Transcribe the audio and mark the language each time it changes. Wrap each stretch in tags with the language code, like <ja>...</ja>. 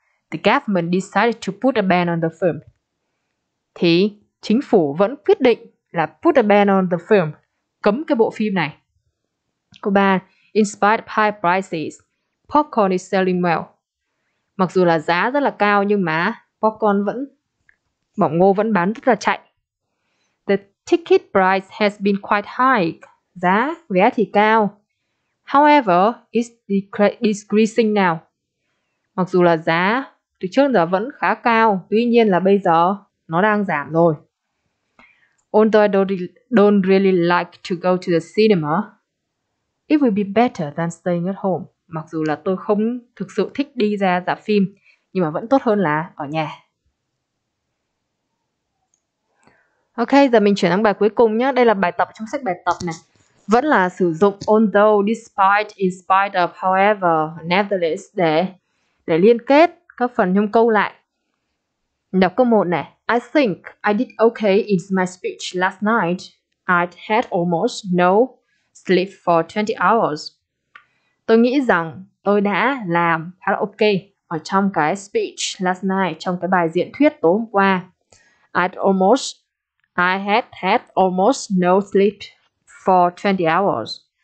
<en>The government decided to put a ban on the film.</en> <vi>Thì chính phủ vẫn quyết định là</vi> <en>put a ban on the film,</en> <vi>cấm cái bộ phim này. Câu 3,</vi> <en>in spite of high prices, popcorn is selling well.</en> <vi>Mặc dù là giá rất là cao nhưng mà popcorn vẫn bỏng ngô vẫn bán rất là chạy.</vi> <en>The ticket price has been quite high.</en> <vi>Giá vé thì cao.</vi> <en>However, it's decreasing now.</en> <vi>Mặc dù là giá từ trước giờ vẫn khá cao, tuy nhiên là bây giờ nó đang giảm rồi.</vi> <en>Although I don't really like to go to the cinema, it will be better than staying at home.</en> <vi>Mặc dù là tôi không thực sự thích đi ra rạp phim, nhưng mà vẫn tốt hơn là ở nhà. Ok, giờ mình chuyển sang bài cuối cùng nhé. Đây là bài tập trong sách bài tập này. Vẫn là sử dụng although, despite, in spite of, however, nevertheless để liên kết các phần trong câu lại. Đọc câu 1 này.</vi> <en>I think I did okay in my speech last night. I had almost no sleep for 20 hours.</en> <vi>Tôi nghĩ rằng tôi đã làm khá là ok ở trong cái</vi> <en>speech last night,</en> <vi>trong cái bài diễn thuyết tối hôm qua.</vi> <en>I had almost no sleep for 20 hours.</en>